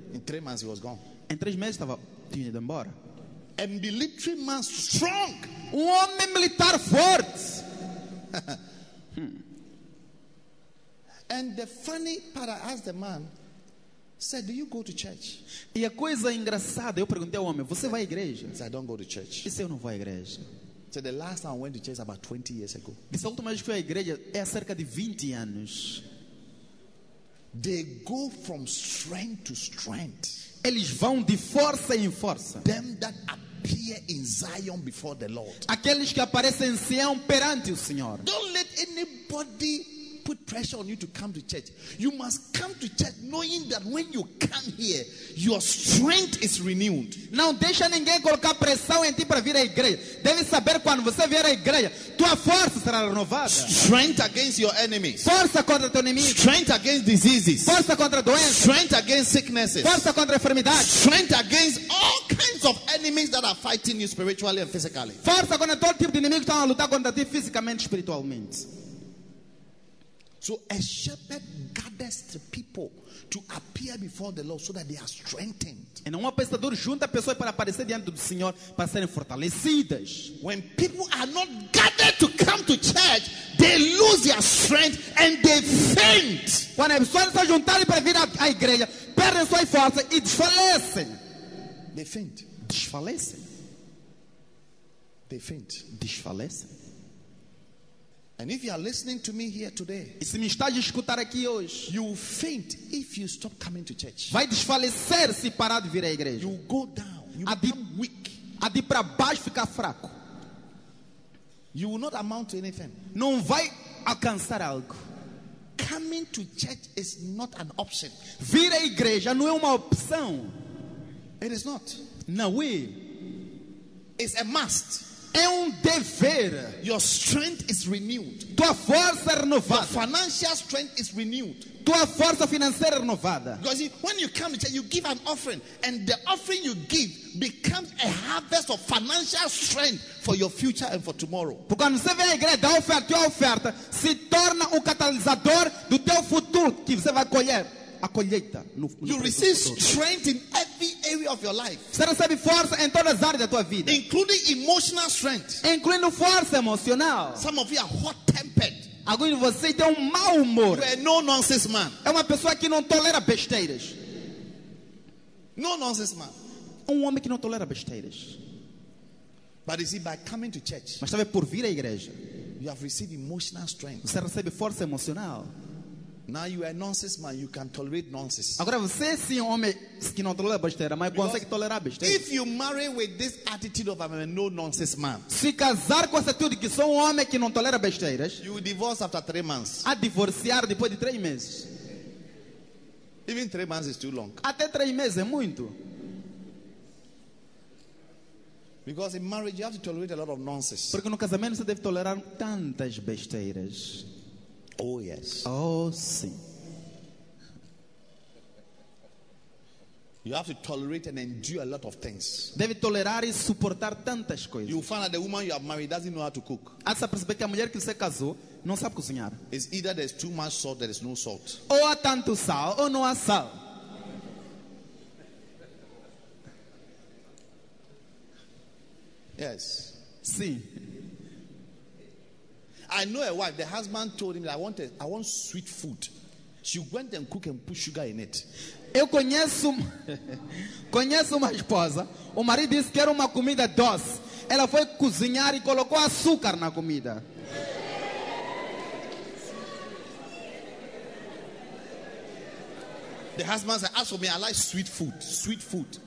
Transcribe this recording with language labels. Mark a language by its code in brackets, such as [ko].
[en] In 3 months he was gone. [pt] Em 3 meses estava tinha ido embora. [en] A military man strong. [pt] Um homem militar forte. [en] And the funny part, I asked the man, said, "Do you go to church?" [pt] E a coisa engraçada, eu perguntei ao homem, "Você vai à igreja?" [en] He said, "I don't go to church." [pt] Disse, "Eu não vou à igreja." [en] So the last time I went to church about 20 years ago. [pt] Disse, a última vez que fui à igreja é há cerca de 20 anos. [en] They go from strength to strength. [pt] Eles vão de força em força. [en] Them that appear in Zion before the Lord. [pt] Aqueles que aparecem em Sião perante o Senhor. [en] Don't let anybody put pressure on you to come to church. You must come to church knowing that when you come here, your strength is renewed. [pt] Não deixa ninguém colocar pressão em ti para vir à igreja. Deve saber quando você vier à igreja, tua força será renovada. [en] Strength against your enemies. [pt] Força contra teu inimigo. [en] Strength against diseases. [pt] Força contra doenças. [en] Strength against sicknesses. [pt] Força contra enfermidades. [en] Strength against all kinds of enemies that are fighting you spiritually and physically. [pt] Força contra todo tipo de inimigo que está a lutar contra ti fisicamente e espiritualmente. [en] So a shepherd gathers the people to appear before the Lord so that they are strengthened. [pt] E um apacentador junta pessoas para aparecer diante do Senhor para serem fortalecidas. [en] When people are not gathered to come to church, they lose their strength and they faint. [pt] Quando as pessoas estão juntadas para vir à igreja, perdem sua força e desfalecem. [en] They faint. [pt] Desfalecem. [en] They faint. [pt] Desfalecem. [en] And if you are listening to me here today, [pt] e se me estás a escutar aqui hoje, [en] you will faint if you stop coming to church. [pt] Vai desfalecer se parar de vir à igreja. [en] You go down. You become weak. [pt] A de para baixo ficar fraco. [en] You will not amount to anything. [pt] Não vai alcançar algo. [en] Coming to church is not an option. [pt] Vir à igreja não é uma opção. [en] It is not. [pt] Não é. [en] It's a must. [pt] É dever. [en] Your strength is renewed. [pt] Tua força é renovada. [en] Your financial strength is renewed. [pt] Tua força financeira é renovada. [en] Because you, when you come to church, you give an offering, and the offering you give becomes a harvest of financial strength for your future and for tomorrow. [pt] Porque quando você vem à igreja, dá oferta, tua oferta se torna o catalisador do teu futuro que você vai colher. [en] You receive strength in every area of your life. [pt] Você recebe força em todas as áreas da tua vida. [en] Including emotional strength. [pt] Incluindo força emocional. [en] Some of you are hot-tempered. [pt] Alguns de vocês têm mau humor. [en] You are a no-nonsense man. [pt] É uma pessoa que não tolera besteiras. [en] No-nonsense man. [pt] Homem que não tolera besteiras. [en] But you see, by coming to church, [pt] mas também por vir à igreja, [en] you have received emotional strength. [pt] Você recebe força emocional. [en] Now you are a nonsense man, you can tolerate nonsense. [pt] Agora você sim, homem que não tolera besteira, mas consegue tolerar besteira. [en] If you marry with this attitude of I'm a no nonsense man, [pt] se casar com essa atitude que sou homem que não tolera besteiras, [en] you will divorce after 3 months. [pt] A divorciar depois de 3 meses. [en] Even 3 months is too long. [pt] Até 3 meses é muito. [en] Because in marriage you have to tolerate a lot of nonsense. [pt] Porque no casamento você deve tolerar tantas besteiras. [en] Oh yes. [pt] Oh sim. [en] You have to tolerate and endure a lot of things. [pt] Deve tolerar e suportar tantas coisas. [en] You find that the woman you have married doesn't know how to cook. [pt] Essa percebe que a mulher que você casou não sabe cozinhar. [en] It's either there's too much salt, there is no salt. [pt] Ou há tanto sal ou não há sal. [en] Yes. [pt] Sim. [en] I know a wife, the husband told him, I want sweet food. She went and cooked and put sugar in it. [pt] Eu conheço uma esposa, o marido disse que era uma comida doce. Ela foi cozinhar e colocou açúcar na comida. [en] The husband said, ask for me, I like sweet food, sweet food.